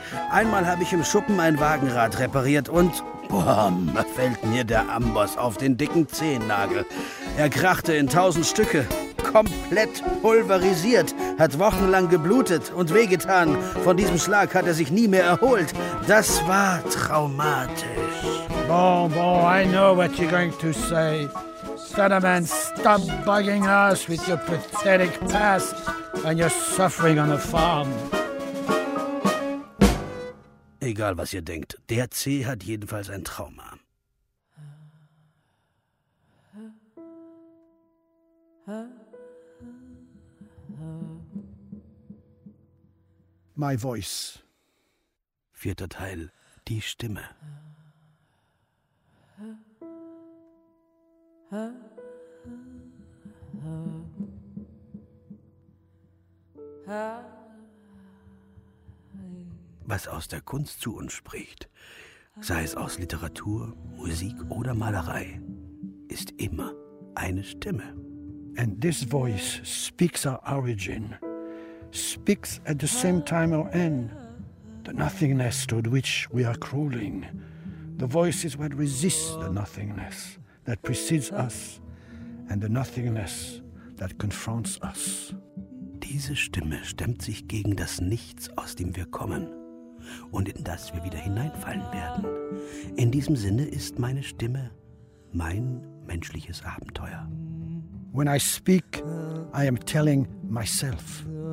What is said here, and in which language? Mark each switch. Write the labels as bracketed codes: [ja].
[de] Einmal habe ich im Schuppen ein Wagenrad repariert und boom, fällt mir der Amboss auf den dicken Zehennagel. Er krachte in tausend Stücke, komplett pulverisiert, hat wochenlang geblutet und wehgetan. Von diesem Schlag hat er sich nie mehr erholt. Das war traumatisch. [en] Bon, bon, I know what you're going to say. Sentiment, stop bugging us with your pathetic past and your suffering on the farm. [de] Egal, was ihr denkt, der C hat jedenfalls ein Trauma. [en] My voice. [de] Vierter Teil, die Stimme. Was aus der Kunst zu uns spricht, sei es aus Literatur, Musik oder Malerei, ist immer eine Stimme. [en] And this voice speaks our origin, speaks at the same time our end, the nothingness toward which we are crawling. The voice is what resists the nothingness that precedes us and the nothingness that confronts us. [de] Diese Stimme stemmt sich gegen das Nichts, aus dem wir kommen. Und in das wir wieder hineinfallen werden. In diesem Sinne ist meine Stimme mein menschliches Abenteuer. [en] When I speak, I am telling myself.